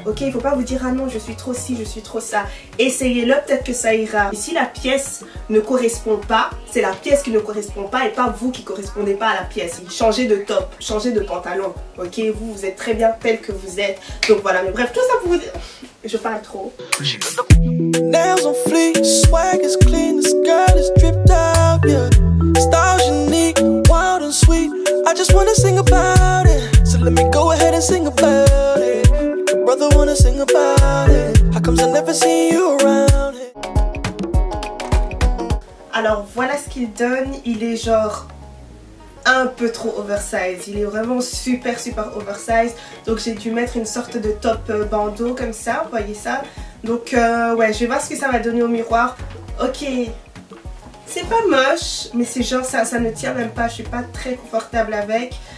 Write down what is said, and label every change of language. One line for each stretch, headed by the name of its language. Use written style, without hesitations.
French: Ok, il faut pas vous dire ah non, je suis trop ci, je suis trop ça. Essayez-le, peut-être que ça ira. Et si la pièce ne correspond pas, c'est la pièce qui ne correspond pas et pas vous qui correspondez pas à la pièce. Changez de top, changez de pantalon. Ok, vous êtes très bien tel que vous êtes. Donc voilà, mais bref, tout ça pour vous dire. Je parle trop.
English: Nails on fleek, swag is clean, this girl is dripped up, yeah. Style unique, wild and sweet. I just wanna sing about it. So let me go ahead and sing about it. Brother wanna sing about it. How comes I never see you around it?
French: Alors voilà ce qu'il donne. Il est genre un peu trop oversized. Il est vraiment super oversized. Donc j'ai dû mettre une sorte de top bandeau comme ça, vous voyez ça. Donc ouais, je vais voir ce que ça va donner au miroir. Ok, c'est pas moche, mais c'est genre ça ne tient même pas. Je suis pas très confortable avec.